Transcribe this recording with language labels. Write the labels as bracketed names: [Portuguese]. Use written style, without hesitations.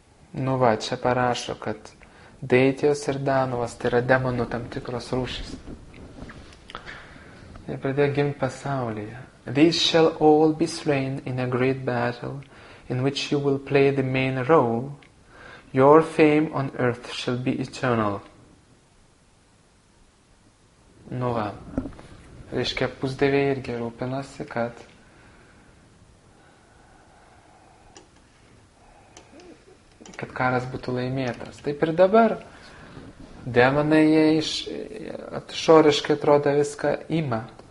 [Lithuanian] Nu va, čia parašo, kad deities ir Danavas tai yra demonų tam tikros rūšys. Jie pradėjo gimti pasaulyje. [English] These shall all be slain in a great battle in which you will play the main role. Your fame on earth shall be eternal. [Lithuanian] Nu va. Reiškia, pusdieviai irgi rūpinasi, kad karas būtų laimėtas. Taip ir dabar demonai jie išoriškai atrodo viską ima.